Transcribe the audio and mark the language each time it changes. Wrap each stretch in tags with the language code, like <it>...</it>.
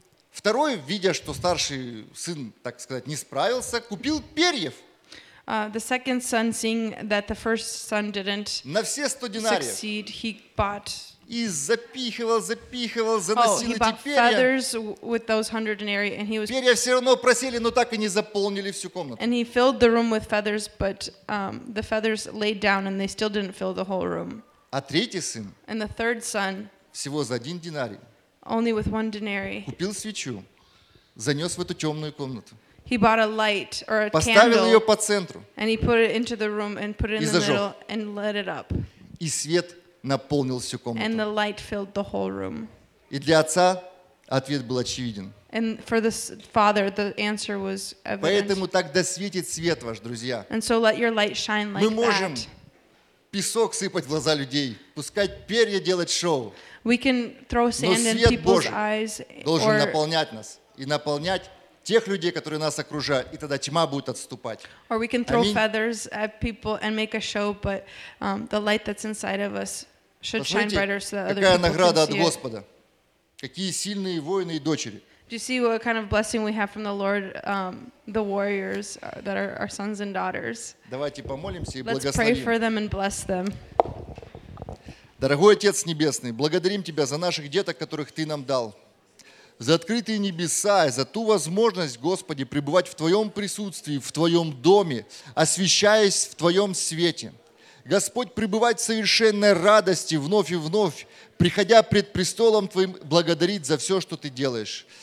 <ru>Второй, видя, что старший сын, так сказать, не справился, купил перьев.</ru> <en>The second son, seeing that the first son didn't succeed, he bought.</en> <ru>И запихивал, запихивал, заносил эти перья.</ru> <en>He bought feathers with those 100 denarii, and he was.</en> <ru>Перья все равно просели, но так и не заполнили всю комнату.</ru> <en>And he filled the room with feathers, but the feathers laid down, and they still didn't fill the whole room.</en> <ru>А третий сын</ru> <en>and the third son,</en> <ru>всего за один динарий</ru> <en>only with one denarii,</en> <ru>купил свечу, занес в эту темную комнату,</ru> <en>he bought a light or a</en> <ru>поставил</ru> <en>candle,</en> <ru>ее по центру</ru> <en>and he put it into the room and put it in</en> <ru>и зажег.</ru> <en>The middle and lit it up.</en> <ru>И свет наполнил всю комнату.</ru> <en>And the light filled the whole room.</en> <ru>И для отца ответ был очевиден.</ru> <en>And for the father, the answer was evident.</en> <ru>Поэтому так досветит свет ваш, друзья.</ru> <en>And so let your light shine like</en> <ru>Мы можем</ru> <en>that.</en> <ru>Песок сыпать в глаза людей, пускать перья делать шоу.</ru> <en>We can throw sand</en> <ru>Но свет</ru> <en>in people's eyes,</en> <ru>должен</ru> <en>or...</en> <ru>наполнять нас и наполнять тех людей, которые нас окружают, и тогда тьма будет отступать.</ru> <en>Or we can throw</en> <ru>Аминь.</ru> <en>Feathers at people and make a show, but the light that's inside of us should</en> <ru>Посмотрите,</ru> <en>shine brighter so that other people can see</en> <ru>Какая награда от Господа. Какие сильные воины и дочери.</ru> <en>Do you see what kind of blessing we have from the Lord, the warriors that are our sons and daughters?</en> <ru>Давайте помолимся и</ru> <en>Let's</en> <ru>благословим.</ru> <en>Let's pray for them and bless them.</en> <ru>Дорогой Отец Небесный, благодарим Тебя за наших деток, которых Ты нам дал. За открытые небеса и за ту возможность, Господи, пребывать в Твоем присутствии, в Твоем доме, освещаясь в Твоем свете. Господь, пребывать в совершенной радости вновь и вновь, приходя пред престолом Твоим, благодарить за все, что Ты делаешь.</ru>